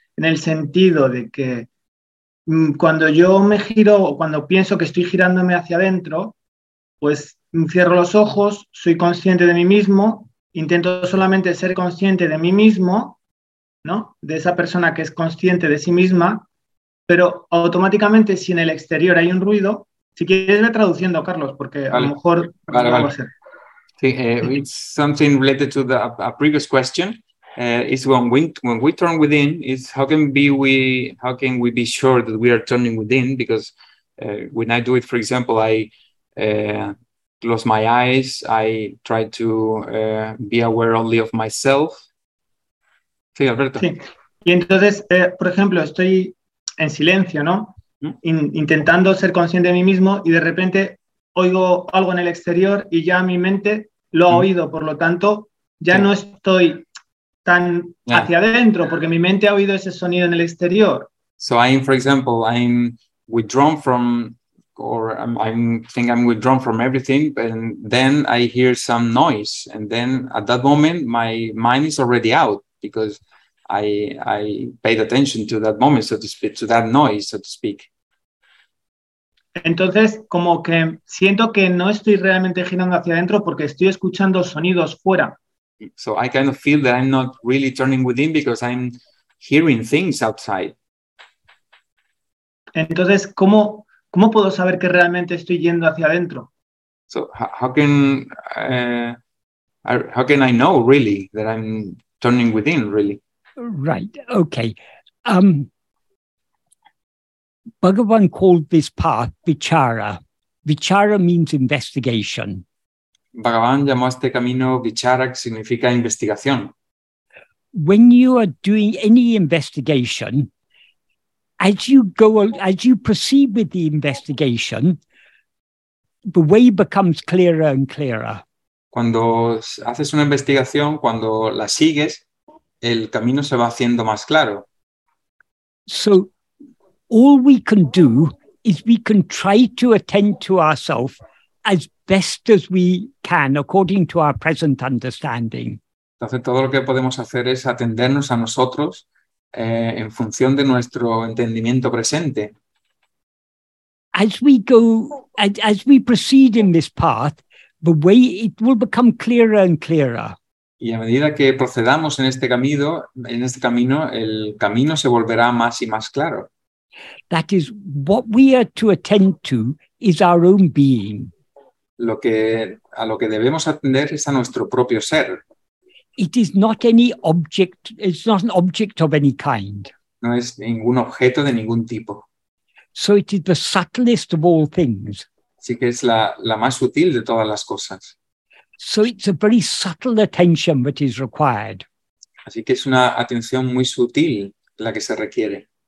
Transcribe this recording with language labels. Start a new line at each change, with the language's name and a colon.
Spanish: En el sentido de que cuando yo me giro o cuando pienso que estoy girándome hacia adentro, pues cierro los ojos, soy consciente de mí mismo, intento solamente ser consciente de mí mismo, ¿no? De esa persona que es consciente de sí misma, pero automáticamente si en el exterior hay un ruido, si quieres ve traduciendo, Carlos, porque vale. A lo mejor... Vale, vale.
English: Sí, it's something related to a previous question. It's when we turn within, is how can we be sure that we are turning within? Because when I do it, for example, I close my eyes, I try to be aware only of myself.
Spanish: Sí, Alberto. Sí. Y entonces, por ejemplo, estoy en silencio, ¿no? Intentando ser consciente de mí mismo y de repente oigo algo en el exterior y ya mi mente lo ha oído. Por lo tanto, ya no estoy tan hacia adentro porque mi mente ha oído ese sonido en el exterior.
English: So I'm, for example, I'm withdrawn from, or I'm think I'm withdrawn from everything, and then I hear some noise, and then at that moment my mind is already out. Because I paid attention to that moment, so to speak, to that noise, so to speak.
Spanish: Entonces, como que siento que no estoy realmente girando hacia adentro porque estoy escuchando sonidos fuera.
English: So I kind of feel that I'm not really turning within because I'm hearing things outside.
Spanish: Entonces, ¿cómo puedo saber que realmente estoy yendo hacia adentro?
English: So how can I know really that I'm turning within, really. Right, okay. Bhagavan called this path vichara. Vichara means investigation.
Spanish: Bhagavan llamó este camino vichara, que significa investigación.
English: When you are doing any investigation, as you proceed with the investigation, the way becomes clearer and clearer.
Spanish: Cuando haces una investigación, cuando la sigues, el camino se va haciendo más claro.
English: So, all we can do is we can try to attend to ourselves as best as we can, according to our present understanding.
Spanish: Entonces, todo lo que podemos hacer es atendernos a nosotros en función de nuestro entendimiento presente.
English: As we proceed in this path, the way it will become clearer and clearer.
Spanish: Y a medida que procedamos en este camino, el camino se volverá más y más claro.
English: That is, what we are to attend to is our own being.
Spanish: A lo que debemos atender es a nuestro propio ser.
English: It is not any object, it's not an object of any kind.
Spanish: No es ningún objeto de ningún tipo.
English: So it is the subtlest of all things.
Spanish: Sí que es la más sutil de todas las cosas.
English: So it's a very subtle attention that is required.
Spanish: Así que es una atención muy sutil la que se requiere.